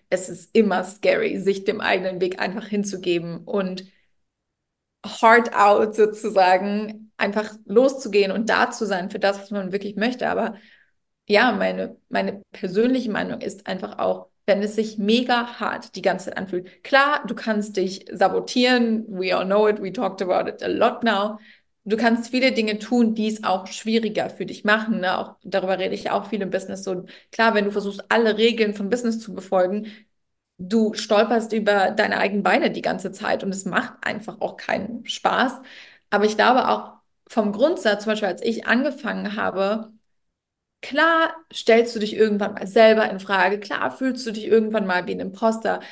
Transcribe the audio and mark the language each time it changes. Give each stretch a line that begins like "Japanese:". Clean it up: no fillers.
German: Es ist immer scary, sich dem eigenen Weg einfach hinzugeben und
English: hard out
German: sozusagen einfach loszugehen und da zu sein für das, was man wirklich möchte. Aber ja, meine persönliche Meinung ist einfach auch, wenn es sich mega hart die ganze Zeit anfühlt. Klar, du kannst dich sabotieren.
English: We all know it. We talked about it a lot now.
German: Du kannst viele Dinge tun, die es auch schwieriger für dich machen. Ne? Auch, darüber rede ich auch viel im Business. So, klar, wenn du versuchst, alle Regeln von Business zu befolgen, du stolperst über deine eigenen Beine die ganze Zeit und es macht einfach auch keinen Spaß. Aber ich glaube auch vom Grundsatz, zum Beispiel als ich angefangen habe, klar stellst du dich irgendwann mal selber in Frage, klar fühlst du dich irgendwann mal wie ein Imposter.